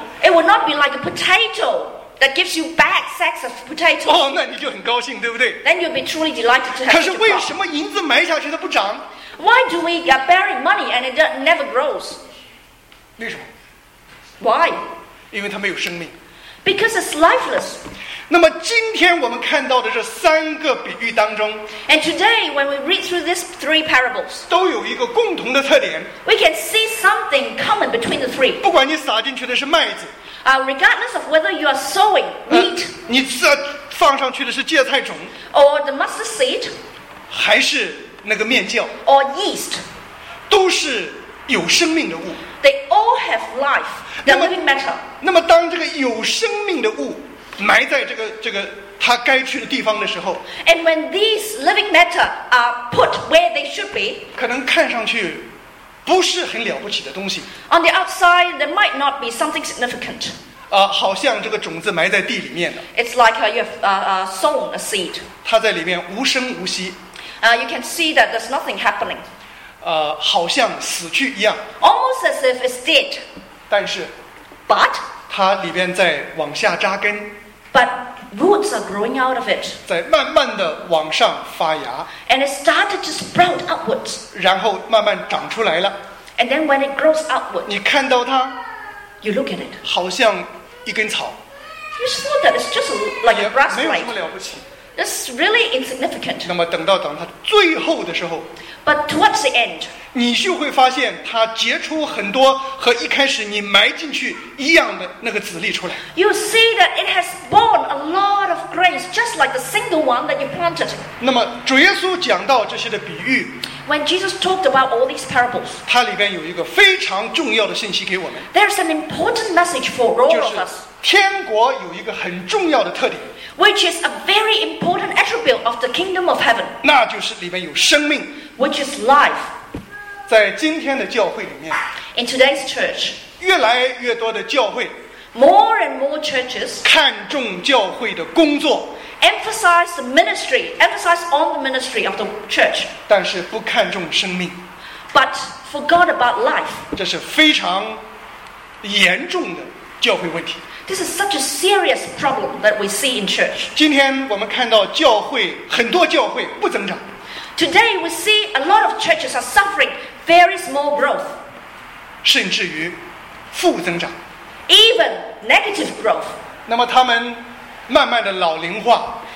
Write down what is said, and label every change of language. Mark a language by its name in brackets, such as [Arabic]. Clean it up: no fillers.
[English] It will not be like a potato that gives you bad sacks of potatoes. [Chinese] 哦，那你就很高兴，对不对？ [English] Then you'll be truly delighted to have. [Chinese] 可是为什么银子埋下去它不长？ [English] Why do we bury money and it never grows? [Chinese] 为什么？ [English] Why? [Chinese] 因为它没有生命。 [English] Because it's lifeless. [Chinese] 那么今天我们看到的这三个比喻当中 [English] And today when we read through these three parables [Chinese] 都有一个共同的特点 [English] We can see something common between the three [Chinese] 不管你撒进去的是麦子 [English] Regardless of whether you are sowing wheat [Chinese] 你放上去的是芥菜种 [English] Or the mustard seed [Chinese] 还是那个面酵 [English] Or yeast [Chinese] 都是有生命的物 [English] They all have life They're living matter [Chinese] 那么当这个有生命的物埋在这个他该去的地方的时候 [English] ，and when these living matter are put where they should be， [Chinese] 可能看上去不是很了不起的东西。 [English] On the outside, there might not be something significant。 [Chinese] 好像这个种子埋在地里面的。 [English] It's like you have sown a seed。 [Chinese] 它在里面无声无息。 [English] You can see that there's nothing happening。 [Chinese] 好像死去一样。 [English] Almost as if it's dead。 [Chinese] 但是。 [English] But。 [Chinese] 它里边在往下扎根 [English] ，But roots are growing out of it， [Chinese] 在慢慢的往上发芽 [English] ，And it started to sprout upwards， [Chinese] 然后慢慢长出来了 [English] ，And then when it grows upward， [Chinese] 你看到它 [English] ，You look at it， [Chinese] 好像一根草 [English] ，You saw that it's just like a grass blade， [Chinese] 没有什么了不起 [English] ，It's really insignificant。 [Chinese] 那么等到它最后的时候 [English] ，But towards the end。 [Chinese] 你就会发现它结出很多和一开始你埋进去一样的那个籽粒出来 [English] You see that it has borne a lot of grains just like the single one that you planted [Chinese] 那么主耶稣讲到这些的比喻 [English] When Jesus talked about all these parables [Chinese] 它里边有一个非常重要的信息给我们 [English] There's an important message for all of us [Chinese] 就是天国有一个很重要的特点 [English] Which is a very important attribute of the kingdom of heaven [Chinese] 那就是里边有生命 [English] Which is life [Chinese] 在今天的教会里面 [English] In today's church [Chinese] 越来越多的教会 [English] More and more churches [Chinese] 看重教会的工作 [English] Emphasize the ministry Emphasize on the ministry of the church [Chinese] 但是不看重生命 [English] But forgot about life [Chinese] 这是非常严重的教会问题 [English] This is such a serious problem that we see in church [Chinese] 今天我们看到教会很多教会不增长 [English] Today we see a lot of churches are suffering very small growth. [Chinese] 甚至于负增长 [English] Even negative growth. [Chinese] 那么他们慢慢的老龄化